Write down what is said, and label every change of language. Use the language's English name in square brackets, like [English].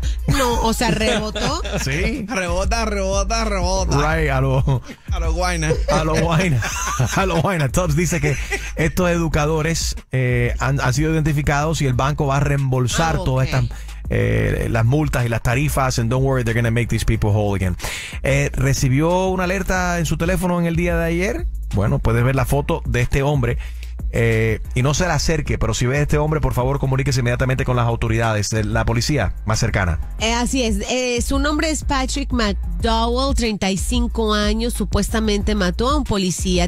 [Spanish] No, o sea, rebotó. Sí. Rebota. [English] Right, [Spanish] a lo guayna. Tubbs dice que estos educadores han sido identificados y el banco va a reembolsar todas estas las multas y las tarifas. [English] And don't worry, they're going to make these people whole again. [Spanish] ¿Recibió una alerta en su teléfono en el día de ayer? Bueno, puedes ver la foto de este hombre. Y no se le acerque, pero si ve a este hombre, por favor, comuníquese inmediatamente con las autoridades, la policía más cercana. Así es. Su nombre es Patrick McDowell, 35 años, supuestamente mató a un policía.